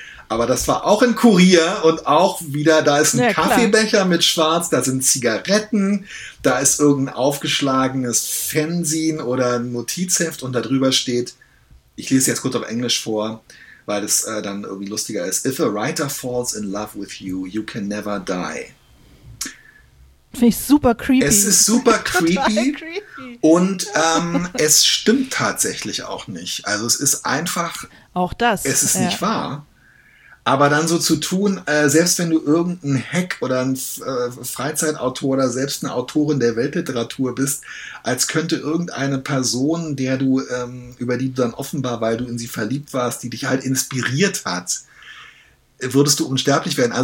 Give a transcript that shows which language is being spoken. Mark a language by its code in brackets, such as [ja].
[de] Aber das war auch ein Kurier und auch wieder, da ist ein Kaffeebecher mit Schwarz, da sind Zigaretten, da ist irgendein aufgeschlagenes Fanzine oder ein Notizheft und da drüber steht, ich lese jetzt kurz auf Englisch vor, weil das dann irgendwie lustiger ist. [en] If a writer falls in love with you, you can never die. [de] Finde ich super creepy. Es ist super creepy. Total creepy. Und es stimmt tatsächlich auch nicht. Also es ist einfach... Auch das. Es ist nicht wahr. Aber dann so zu tun, selbst wenn du irgendein Hack oder ein Freizeitautor oder selbst eine Autorin der Weltliteratur bist, als könnte irgendeine Person, der du über die du dann offenbar, weil du in sie verliebt warst, die dich halt inspiriert hat, würdest du unsterblich werden.